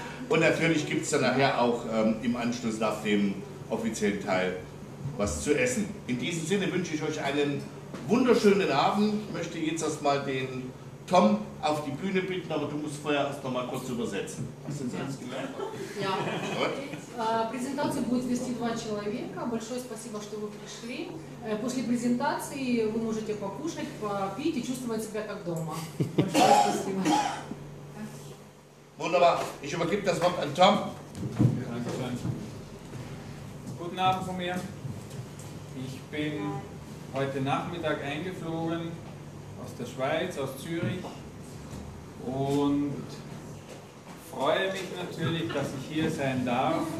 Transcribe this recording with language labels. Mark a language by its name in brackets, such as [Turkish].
[German] Und natürlich gibt es dann nachher auch im Anschluss nach dem offiziellen Teil was zu essen. In diesem Sinne wünsche ich euch einen wunderschönen Abend. Ich möchte jetzt erstmal den Tom auf die Bühne bitten, aber du musst vorher erst noch mal kurz übersetzen. Hast du das alles gelernt? Ja. [Russian] Презентацию будет вести два человека. Большое спасибо, что вы пришли. После презентации вы можете покушать, попить и чувствовать себя как дома. Большое спасибо. [German] Wunderbar, ich übergebe das Wort an Tom. Dankeschön. Guten Abend von mir. Ich bin heute Nachmittag eingeflogen aus der Schweiz, aus Zürich und freue mich natürlich, dass ich hier sein darf.